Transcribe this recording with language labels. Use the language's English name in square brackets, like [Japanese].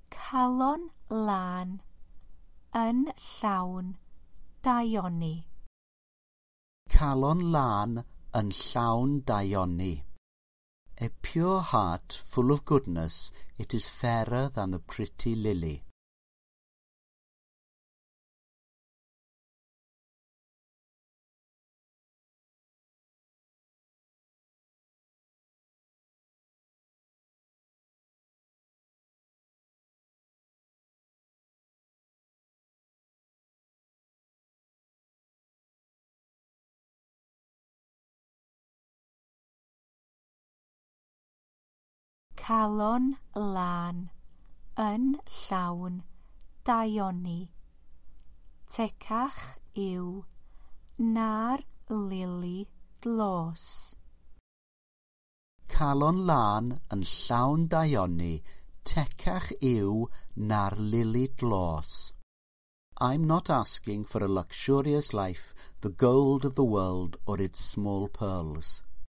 [Welsh] Calon lan yn llawn daioni. Calon lan yn llawn daioni. [English] A pure heart full of goodness, it is fairer than the pretty lily. [Welsh] Calon lan yn llawn daioni. Tecach yw na'r lili glos. Calon lan yn llawn daioni. Tecach yw na'r lili glos. [English] I'm not asking for a luxurious life, the gold of the world or its small pearls.